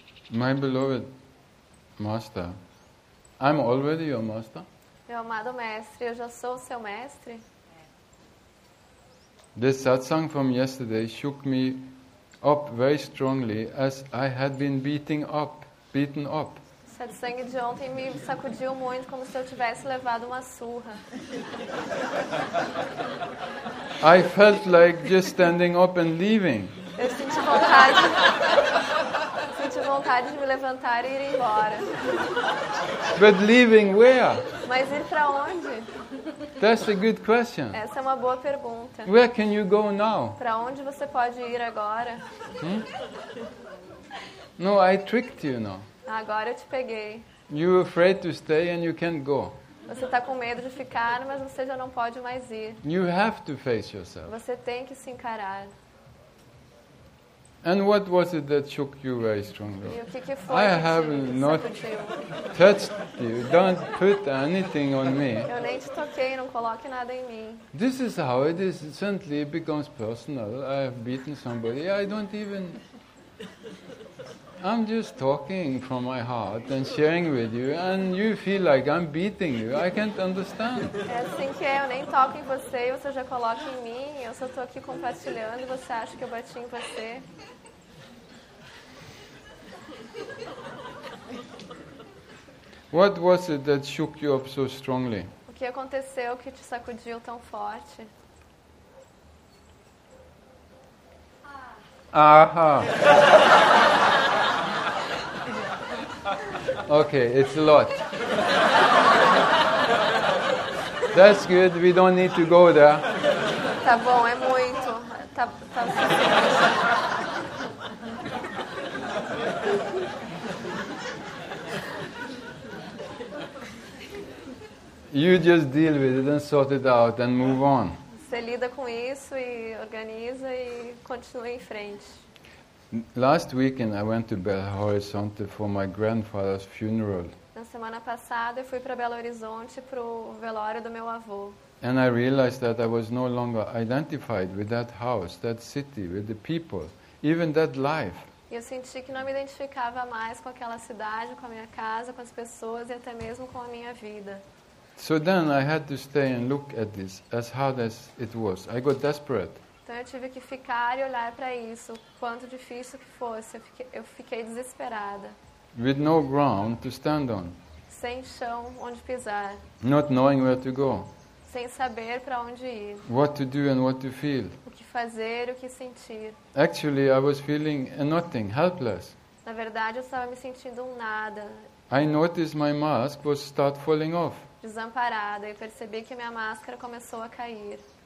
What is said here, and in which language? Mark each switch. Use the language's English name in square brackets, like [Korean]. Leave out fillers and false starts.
[English] My beloved master, I'm already your master. [Portuguese] Meu amado mestre, eu já sou seu mestre. [English] This satsang from yesterday shook me up very strongly, as I had been beaten up. [Portuguese] Satsang de ontem me sacudiu muito, como se eu tivesse levado uma surra. [English] I felt like just standing up and leaving. [Portuguese] Eu senti vontade. Vontade de me levantar e ir embora. [English] But leaving where? [Portuguese] Mas ir para onde? [English] That's a good question. [Portuguese] Essa é uma boa pergunta. [English] Where can you go now? [Portuguese] Para onde você pode ir agora? [English] No, I tricked you now. [Portuguese] Agora eu te peguei. [English] You're afraid to stay and you can't go. [Portuguese] Você está com medo de ficar, mas você já não pode mais ir. [English] You have to face yourself. [Portuguese] Você tem que se encarar. [English] And what was it that shook you very strongly? I have not touched you. Don't put anything on me. [Portuguese] Eu nem te toquei, não coloque nada em mim. [English] This is how it is. Suddenly it becomes personal. I have beaten somebody. I'm just talking from my heart and sharing with you, and you feel like I'm beating you. I can't understand. [Portuguese] É assim que é. Eu nem toco em você e você já coloca em mim. Eu só estou aqui compartilhando e você acha que eu bati em você. [English] What was it that shook you up so strongly? [Portuguese] O que aconteceu que te sacudiu tão forte? Aha. [English] Okay, it's a lot. That's good. We don't need to go there. [Portuguese] Tá bom, é muito. Tá. [English] You just deal with it and sort it out and move on. [Portuguese] Você lida com isso e organiza e continua em frente. [English] Last weekend I went to Belo Horizonte for my grandfather's funeral. [Portuguese] Na semana passada eu fui para Belo Horizonte pro velório do meu avô. [English] And I realized that I was no longer identified with that house, that city, with the people, even that life. [Portuguese] E eu senti que não me identificava mais com aquela cidade, com a minha casa, com as pessoas e até mesmo com a minha vida. [English] So then I had to stay and look at this as hard as it was. I got desperate. [Portuguese] Então eu tive que ficar e olhar para isso, quanto difícil que fosse, eu fiquei desesperada. [English] With no ground to stand on. [Portuguese] Sem chão onde pisar. [English] Not knowing where to go. [Portuguese] Sem saber para onde ir. [English] What to do and what to feel. [Portuguese] O que fazer, o que sentir. [English] Actually, I was feeling nothing, helpless. [Portuguese] Na verdade, eu estava me sentindo um nada. [English] I noticed my mask was start falling off. [Portuguese] Desamparada, e percebi que minha máscara começou a cair.